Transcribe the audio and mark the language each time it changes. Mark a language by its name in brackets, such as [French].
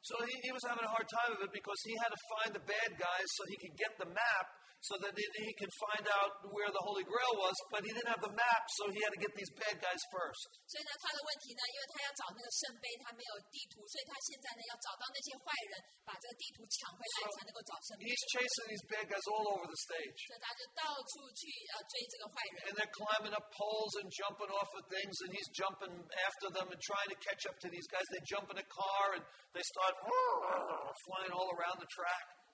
[English] So he was having a hard time of it because he had to find the bad guys so he could get the map so that he could find out where the Holy Grail was, but he didn't have the map, so he had to get these bad guys first. [Chinese] 所以呢，他的问题呢，因为他要找那个圣杯，他没有地图，所以他现在呢，要找到那些坏人，把这个地图抢回来，才能够找圣杯。 [English] He's chasing these bad guys all over the stage. [Chinese] 所以他就到处去追这个坏人。 [English] And they're climbing up poles and jumping off of things, and he's jumping after them and trying to catch up to these guys. They jump in a car, and they start flying all around the track.